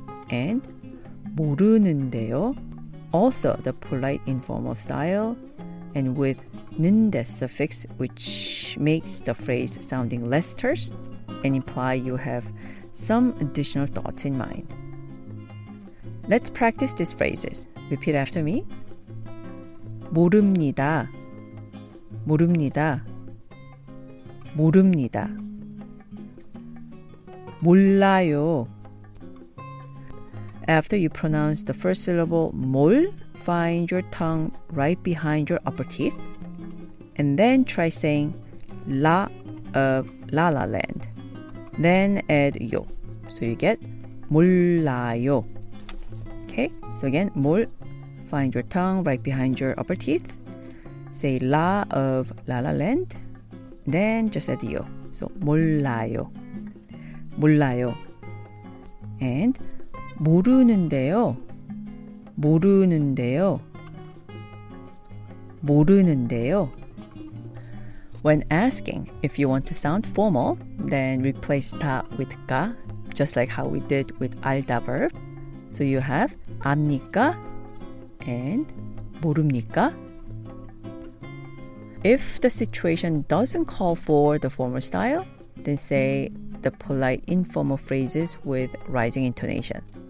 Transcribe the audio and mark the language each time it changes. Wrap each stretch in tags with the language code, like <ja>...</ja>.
<en>And 모르는데요, also the polite informal style, and with 는데 suffix, which makes the phrase sounding less terse and imply you have some additional thoughts in mind. Let's practice these phrases. Repeat after me.</en> <ko>모릅니다, 모릅니다, 모릅니다. 몰라요.</ko> <en>After you pronounce the first syllable 몰, find your tongue right behind your upper teeth, and then try saying la of La La Land. Then add yo, so you get 몰라요. Okay, so again 몰, find your tongue right behind your upper teeth, say la of La La Land, then just add yo, so 몰라요, 몰라요.</en> <ko>And 모르는데요, 모르는데요, 모르는데요.</ko> <en>When asking if you want to sound formal, then replace 다 with 가, just like how we did with 알다 verb. So you have 압니까 and 모릅니까. If the situation doesn't call for the formal style, then say the polite informal phrases with rising intonation.</en>